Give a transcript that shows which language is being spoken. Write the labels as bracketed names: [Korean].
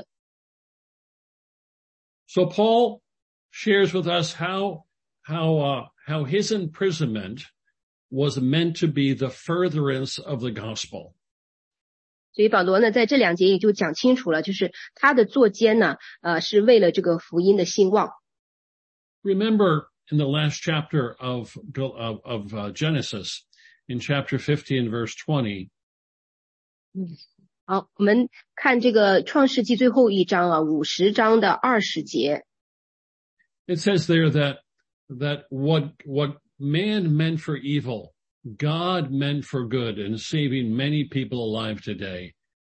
[Chinese] 对弟兄姐妹们，主也会在你心里啊放一些负担，让你去做。你做这些工作的时候呢，你就会感叹哦，神竟然给我开了一个如此宽大的门，这个门是我原来没有想象过的。 [English] So Paul shares with us how his imprisonment was meant to be the furtherance of the gospel. [Chinese] 所以保罗呢，在这两节也就讲清楚了，就是他的坐监呢，是为了这个福音的兴旺。 [English] Remember in the last chapter of Genesis, in chapter 15, verse 20. [Chinese] 好，我们看这个创世纪最后一章啊，50章的20节。 [English] It says there that what man meant for evil, God meant for good in saving many people alive today.